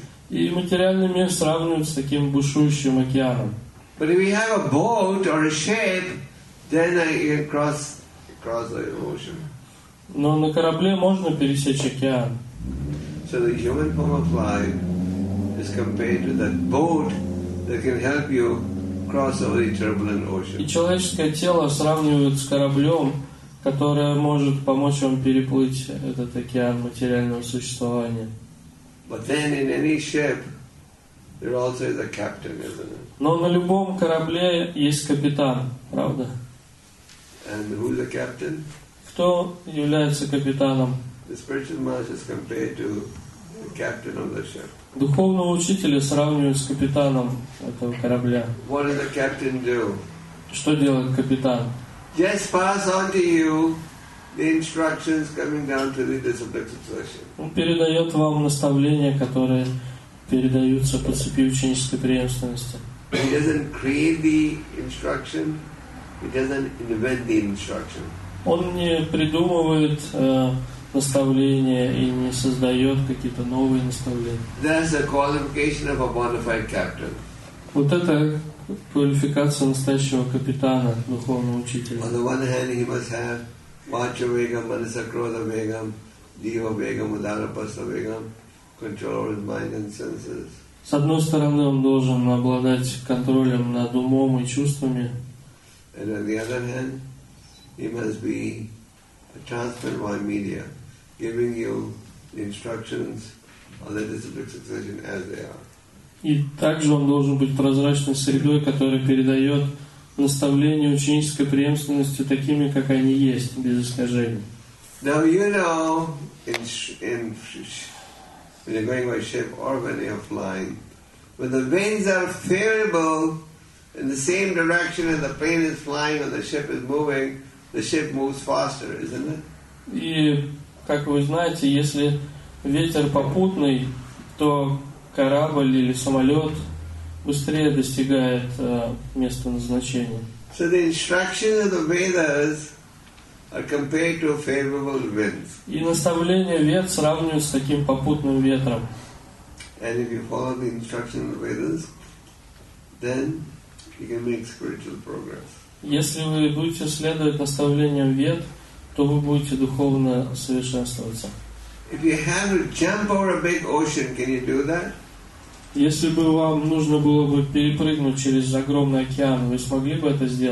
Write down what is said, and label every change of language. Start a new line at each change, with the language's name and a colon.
Russian: И материальный мир сравнивают с таким бушующим океаном.
English: But if we have a boat or a ship, then you can cross the ocean.
Russian: Но на корабле можно пересечь океан.
English: So the human form of life is compared to that boat that can help you cross over the turbulent ocean.
Russian: И человеческое тело сравнивают с кораблем, которое может помочь вам переплыть этот океан материального существования.
English: But then in any ship, there also is a captain, isn't it?
Russian: Но на любом корабле есть капитан, правда?
English: And who is the captain?
Russian: Кто является капитаном?
English: The spiritual master is compared to the captain of the ship.
Russian: Духовного учителя сравнивают с капитаном этого корабля.
English: What does the captain do?
Russian: Что делает капитан?
English: Just pass on to you the instructions coming down to the disciplined session.
Russian: Он передает вам наставления, которые передаются по цепи ученической преемственности.
English: He doesn't create the instruction. He doesn't invent the instruction.
Russian: Он не придумывает наставления и не создает какие-то новые наставления.
English: That's the qualification of a bona fide captain.
Russian: Вот это квалификация настоящего капитана, духовного учителя.
English: On the one hand, he must have Macha Vegam, Manasa Krodha Vegam, Diva Vegam, Udara Pasta Vegam, control of his mind and senses.
Russian: С одной стороны, он должен обладать контролем над умом и чувствами.
English: And on the other hand, he must be a transparent mind media, giving you the instructions of the disciplined succession as they are.
Russian: И также он должен быть прозрачной средой, которая передает наставления ученической преемственности такими, как они есть, без искажений.
English: Now you know, when you're going by ship or when you're flying, when the winds are favorable in the same direction as the plane is flying or the ship is moving, the ship moves faster, isn't it?
Russian: И, как вы знаете, если ветер попутный, то корабль или самолет быстрее достигает места назначения.
English: So the instructions of the Vedas are compared to favorable winds.
Russian: И наставления Вед сравнивают с таким попутным ветром.
English: And if you follow the instructions of the Vedas, then you can make spiritual progress.
Russian: Если вы будете следовать наставлениям Вед, то вы будете духовно совершенствоваться.
English: If you have to jump over a big ocean, can you do that?
Russian: Если бы вам нужно было бы перепрыгнуть через огромный океан, вы смогли бы это